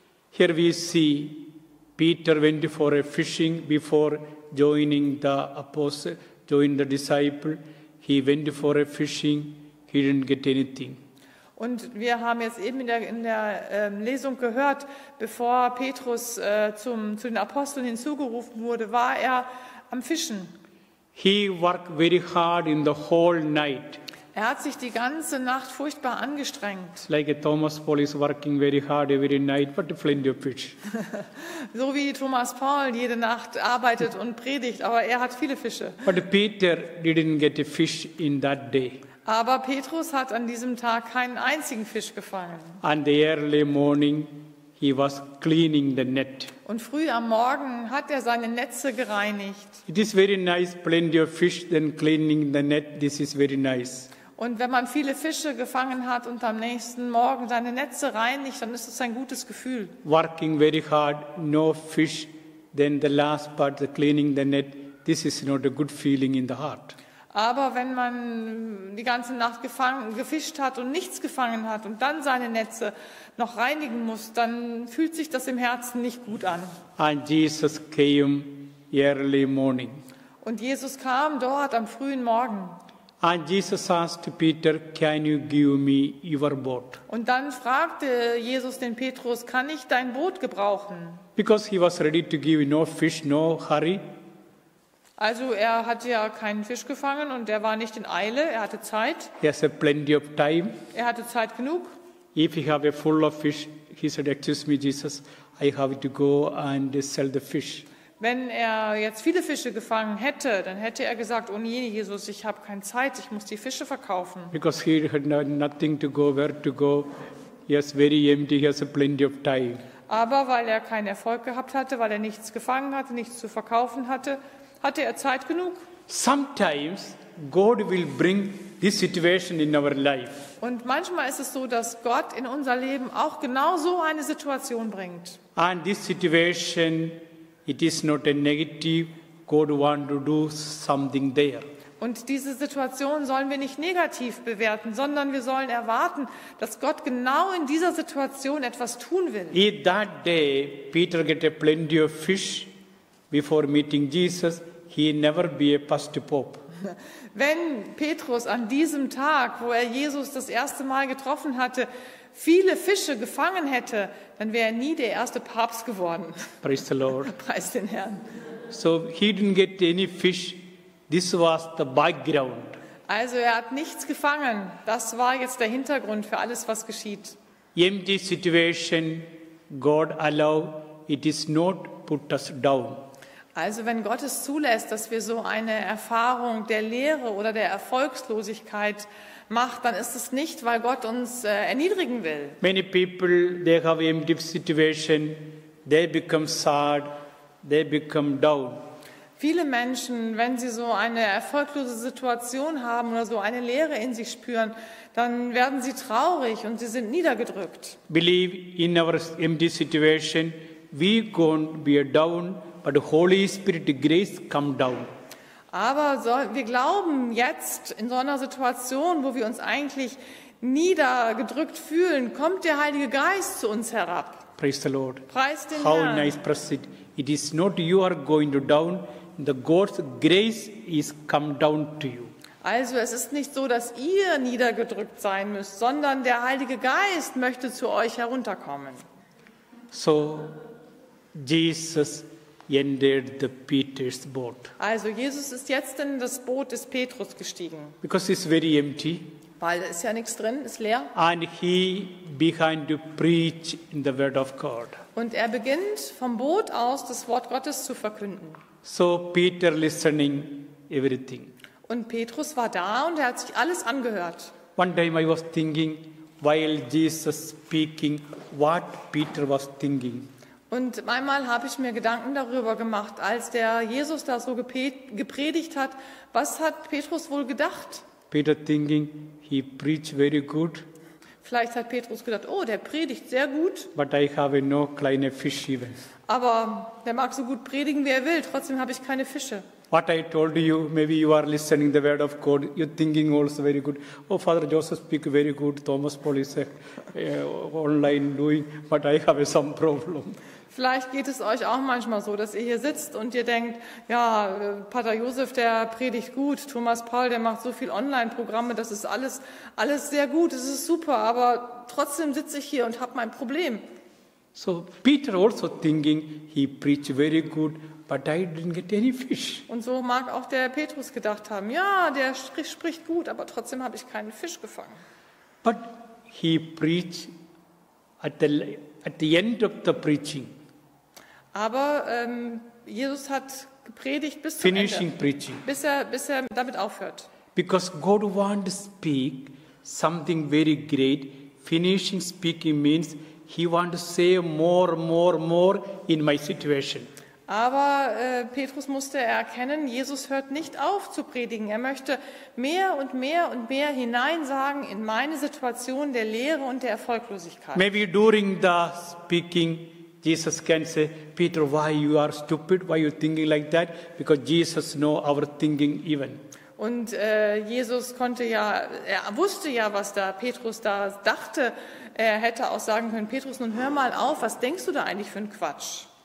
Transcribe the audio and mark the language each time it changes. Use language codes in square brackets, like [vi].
[en] Here we see Peter went for a fishing before joining the apostle, joined the disciple. He went for a fishing, he didn't get anything. [de] Und wir haben jetzt eben in der Lesung gehört, bevor Petrus zu den Aposteln hinzugerufen wurde, war er am Fischen. [en] He worked very hard in the whole night. [de] Er hat sich die ganze Nacht furchtbar angestrengt. [en] Like Thomas Paul is working very hard every night, but plenty of fish. [de] So wie Thomas Paul jede Nacht arbeitet und predigt, aber er hat viele Fische. [en] But Peter didn't get a fish in that day. [de] Aber Petrus hat an diesem Tag keinen einzigen Fisch gefangen. [en] On the early morning, He was cleaning the net. [de] Und früh am Morgen hat er seine Netze gereinigt. [en] It is very nice, plenty of fish, then cleaning the net. This is very nice. [de] Und wenn man viele Fische gefangen hat und am nächsten Morgen seine Netze reinigt, dann ist es ein gutes Gefühl. [en] Working very hard, no fish, then the last part, the cleaning the net. This is not a good feeling in the heart. [de] Aber wenn man die ganze Nacht gefischt hat und nichts gefangen hat und dann seine Netze noch reinigen muss, dann fühlt sich das im Herzen nicht gut an. [en] And Jesus came early morning. [de] Und Jesus kam dort am frühen Morgen. [en] And Jesus asked Peter, "Can you give me your boat?" [de] Und dann fragte Jesus den Petrus, "Kann ich dein Boot gebrauchen?" [en] Because he was ready to give, no fish, no hurry. [de] Also er hatte ja keinen Fisch gefangen und er war nicht in Eile, er hatte Zeit. [en] He has plenty of time. [de] Er hatte Zeit genug. [en] If he have a full of fish, he said, "Excuse me, Jesus, I have to go and sell the fish." [de] Wenn er jetzt viele Fische gefangen hätte, dann hätte er gesagt, oh nee, Jesus, ich habe keine Zeit, ich muss die Fische verkaufen. [en] Because he had nothing to go, where to go. He is very empty, he has plenty of time. [de] Aber weil er keinen Erfolg gehabt hatte, weil er nichts gefangen hatte, nichts zu verkaufen hatte, hatte er Zeit genug. [en] Sometimes God will bring this situation in our life. [de] Und manchmal ist es so, dass Gott in unser Leben auch genau so eine Situation bringt. [en] And this situation, it is not a negative. God wants to do something there. [de] Und diese Situation sollen wir nicht negativ bewerten, sondern wir sollen erwarten, dass Gott genau in dieser Situation etwas tun will. [en] In that day, Peter get a plenty of fish before meeting Jesus. He never be a past pope. [de] Wenn Petrus an diesem Tag, wo er Jesus das erste Mal getroffen hatte, viele Fische gefangen hätte, dann wäre er nie der erste Papst geworden. [en] Praise the Lord. [de] Preist den Herrn. [en] So he didn't get any fish. This was the background. [de] Also er hat nichts gefangen. Das war jetzt der Hintergrund für alles, was geschieht. [en] Empty situation, God allow, it is not put us down. [de] Also wenn Gott es zulässt, dass wir so eine Erfahrung der Leere oder der Erfolgslosigkeit macht, dann ist es nicht, weil Gott uns erniedrigen will. [en] Many people, they have empty situation, they become sad, they become down. [de] Viele Menschen, wenn sie so eine erfolglose Situation haben oder so eine Leere in sich spüren, dann werden sie traurig und sie sind niedergedrückt. [en] Believe in our empty situation, we can't be down, but the Holy Spirit grace come down. [de] Aber wir glauben jetzt in so einer Situation, wo wir uns eigentlich niedergedrückt fühlen, kommt der Heilige Geist zu uns herab. [en] Praise the Lord. [de] Preist den [en] How [de] Herrn. [en] Nice press it. It is not you are going to down. The God's grace is come down to you. [de] Also es ist nicht so, dass ihr niedergedrückt sein müsst, sondern der Heilige Geist möchte zu euch herunterkommen. [en] So Jesus entered the Peter's boat. [de] Also Jesus ist jetzt in das Boot des Petrus gestiegen. [en] Because it's very empty. [de] Weil es ist ja nichts drin, ist leer. [en] And he began to preach in the word of God. [de] Und er beginnt vom Boot aus das Wort Gottes zu verkünden. [en] So Peter listening everything. [de] Und Petrus war da und er hat sich alles angehört. [en] One time I was thinking, while Jesus speaking, what Peter was thinking. [de] Und einmal habe ich mir Gedanken darüber gemacht, als der Jesus da so gepredigt hat, was hat Petrus wohl gedacht? [en] Peter thinking, he preached very good. [de] Vielleicht hat Petrus gedacht, oh, der predigt sehr gut. [en] But I have no [de] kleine [en] fish even. [de] Aber der mag so gut predigen, wie er will, trotzdem habe ich keine Fische. [en] What I told you, maybe you are listening the word of God, you're thinking also very good. Oh, Father Joseph speak very good, Thomas Paul is online doing, but I have some problem. [de] Vielleicht geht es euch auch manchmal so, dass ihr hier sitzt und ihr denkt, ja, Pater Josef, der predigt gut, Thomas Paul, der macht so viel Online-Programme, das ist alles sehr gut, es ist super, aber trotzdem sitze ich hier und habe mein Problem. [en] So Peter also thinking, he preached very good, but I didn't get any fish. [de] Und so mag auch der Petrus gedacht haben, ja, der spricht gut, aber trotzdem habe ich keinen Fisch gefangen. [en] But he preached at the end of the preaching. [de] Aber Jesus hat gepredigt bis zum [en] Finishing [de] Ende. [en] Preaching. [de] Bis er damit aufhört. [en] Because God wants to speak something very great. Finishing speaking means He wants to say more in my situation. [de] Aber Petrus musste erkennen, Jesus hört nicht auf zu predigen. Er möchte mehr und mehr hineinsagen in meine Situation der Leere und der Erfolglosigkeit. [en] Maybe during the speaking, Jesus can say, Peter, why you are stupid? Why you thinking like that? Because Jesus know our thinking even. [de] Und Jesus konnte ja, er wusste ja, was da Petrus da dachte. Er hätte auch sagen können, Petrus, nun hör mal auf, was denkst du da eigentlich für einen Quatsch?